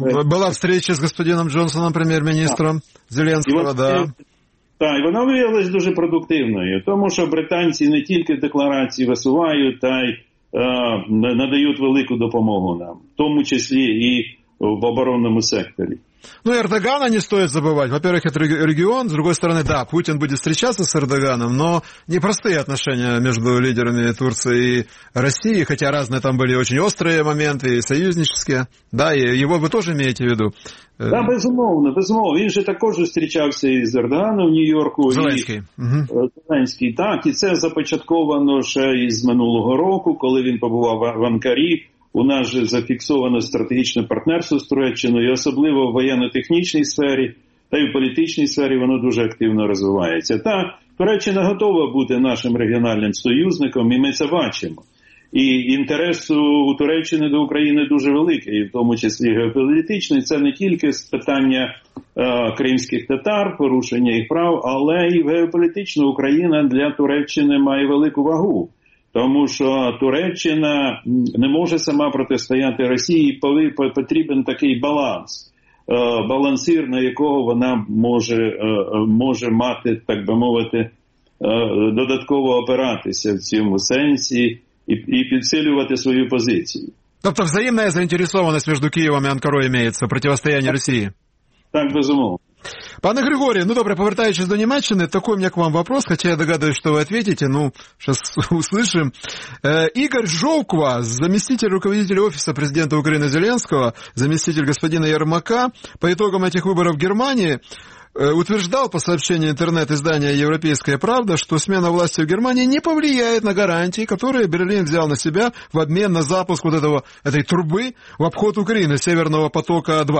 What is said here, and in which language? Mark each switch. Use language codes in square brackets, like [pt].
[uk] Була встреча з господином Джонсоном, прем'єр-міністром Зеленського, да. Так, і вона виявилась дуже продуктивною, тому що британці не тільки декларації висувають, та й надають велику допомогу нам, в тому числі і в оборонному секторі. [ru] Ну, Эрдогана не стоит забывать. Во-первых, это регион. С другой стороны, да, Путин будет встречаться с Эрдоганом, но непростые отношения между лидерами Турции и России, хотя разные там были очень острые моменты, и союзнические. Да, и его вы тоже имеете в виду. [uk] Да, безумовно, безумовно. [ru] Он же также встречался и с Эрдоганом в Нью-Йорке. Зеленский. Зеленский, так. И это започатковано еще из минулого года, когда он побывал в Анкаре. [uk] У нас же зафіксовано стратегічне партнерство з Туреччиною, особливо в воєнно-технічній сфері та й в політичній сфері воно дуже активно розвивається. Та Туреччина готова бути нашим регіональним союзником, і ми це бачимо. І інтерес у Туреччини до України дуже великий, і в тому числі геополітичний. Це не тільки питання кримських татар, порушення їх прав, але і геополітично Україна для Туреччини має велику вагу. Тому що Туреччина не може сама протистояти Росії, потрібен такий баланс, балансир, на якого вона може мати, так би мовити, додатково опиратися в цьому сенсі і підсилювати свою позицію. Тобто взаємна заінтересованість між Києвом і Анкарою мається, протистояння Росії? Так, безумовно. Пане Григорий, ну добре, повертаючись до Німеччини, [ru] такой у меня к вам вопрос, хотя я догадываюсь, что вы ответите, ну, сейчас услышим. Игорь Жовква, заместитель руководителя офиса президента Украины Зеленского, заместитель господина Ермака, по итогам этих выборов в Германии, утверждал по сообщению интернет-издания «Европейская правда», что смена власти в Германии не повлияет на гарантии, которые Берлин взял на себя в обмен на запуск вот этой трубы в обход Украины, «Северного потока-2».